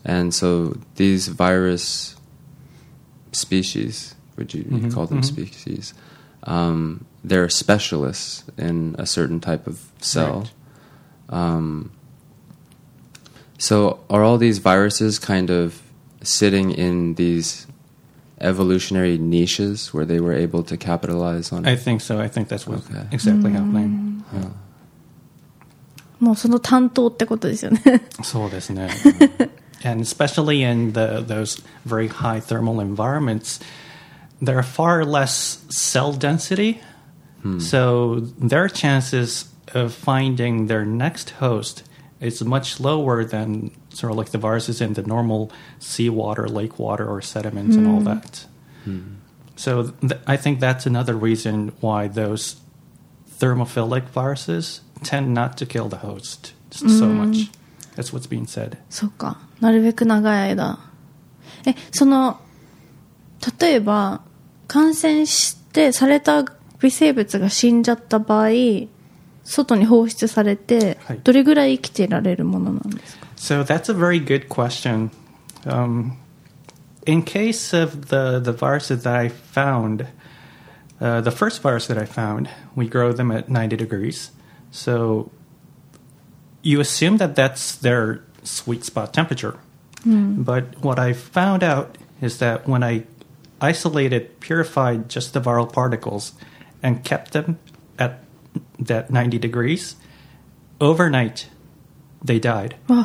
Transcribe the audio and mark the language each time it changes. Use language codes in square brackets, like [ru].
[en] And so these virus species, would you, you call them species, they're specialists in a certain type of cell. Right. So are all these viruses kind of sitting in these evolutionary niches where they were able to capitalize on it? I think so. I think that's what's exactly happening. Yeah. [ja] もうその担当ってことですよね。そうですね。 [en] And especially in those very high thermal environments, there are far less cell density. So their chances of finding their next host is much lower than sort of like the viruses in the normal seawater, lake water, or sediments and all that. So I think that's another reason why those thermophilic virusTend not to kill the host so much. That's what's being said. [ja] そっか。なるべく長い間。え、その、例えば、感染してされた微生物が死んじゃった場合、外に放出されて、はい、どれぐらい生きてられるものなんですか? [en] So that's a very good question. In case of the virus that I found, the first virus that I found, we grow them at 90 degrees. So you assume that that's their sweet spot temperature. But what I found out is that when I isolated, purified just the viral particles and kept them at that 90 degrees, overnight they died.